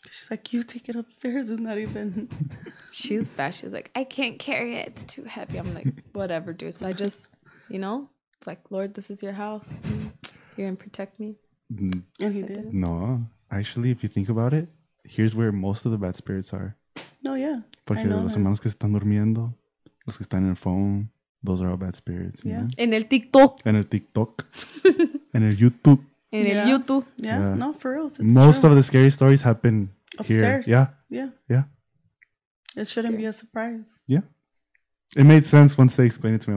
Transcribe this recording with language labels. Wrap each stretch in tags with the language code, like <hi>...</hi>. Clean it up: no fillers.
<en>She's like, you take it upstairs and not even. She's bad. She's like, I can't carry it. It's too heavy. I'm like, whatever, dude. So I just, you know, it's like, Lord, this is your house. You're going to protect me. And he did. No. Actually, if you think about it, here's where most of the bad spirits are. Oh, yeah.</en> <es>Porque los hermanos que están durmiendo, los que están en el phone.</es> <en>Those are all bad spirits. Yeah.</en> <es>En el TikTok. En el TikTok. En el YouTube. En el YouTube.</es> <en>Yeah. No, for real. It's most true. Of the scary stories happen upstairs. Here. Yeah. Yeah. Yeah. It shouldn't scary. Be a surprise. Yeah. It made sense once they explained it to me.</en>